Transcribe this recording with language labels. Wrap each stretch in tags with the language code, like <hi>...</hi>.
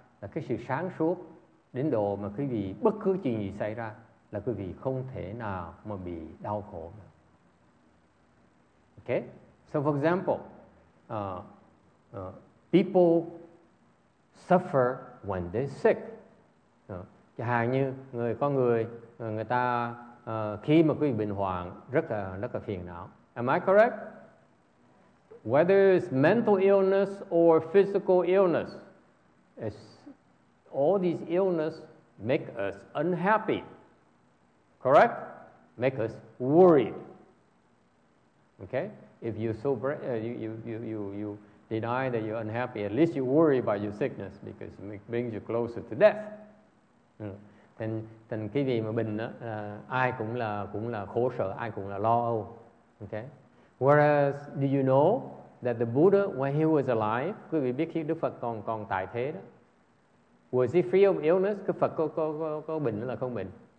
<vi>Là cái sự sáng suốt đến độ mà quý vị bất cứ chuyện gì xảy ra là quý vị không thể nào mà bị đau khổ.</vi> <en>Okay? So for example, people suffer when they're sick.</en> <vi>Chẳng hạn như người ta khi mà quý vị bệnh hoạn rất là phiền não.</vi> <en>Am I correct? Whether it's mental illness or physical illness, it's all these illness make us unhappy. Correct? Make us worried. Okay? If you so you deny that you're unhappy, at least you worry about your sickness because it brings you closer to death.</en> <vi>Then cái gì mà bệnh ai cũng là khổ sở, ai cũng là lo âu.</vi> <en>Okay? Whereas do you know that the Buddha, when he was alive,</en> <vi>quý vị biết khi Đức Phật còn tại thế đó,</vi> <en>was he free of illness?</en> <vi>Cái Phật có bệnh là không bệnh.</vi>